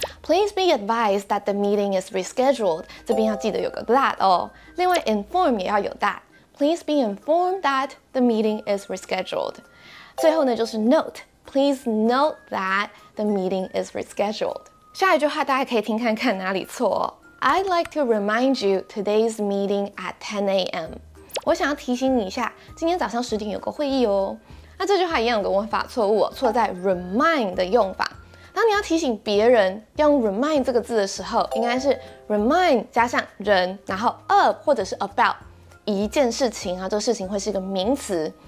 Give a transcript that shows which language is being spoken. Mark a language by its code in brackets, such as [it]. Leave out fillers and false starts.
[en] Please be advised that the meeting is rescheduled， [zh] 这边要记得有个 [en] that 哦。 [zh] 另外 [en] ，inform 也要有 that。Please be informed that the meeting is rescheduled。 [zh] 最后呢，就是 [en] note。Please note that the meeting is rescheduled。 [zh] 下一句话大家可以听看看哪里错哦。 [en] I'd like to remind you today's meeting at 10 a.m. [zh] 我想要提醒你一下，今天早上10点有个会议哦。那这句话一样有个文法错误、哦，错在 remind 的用法。当你要提醒别人要用 remind 这个字的时候，应该是 remind 加上人，然后 of 或者是 about 一件事情啊，这个事情会是一个名词。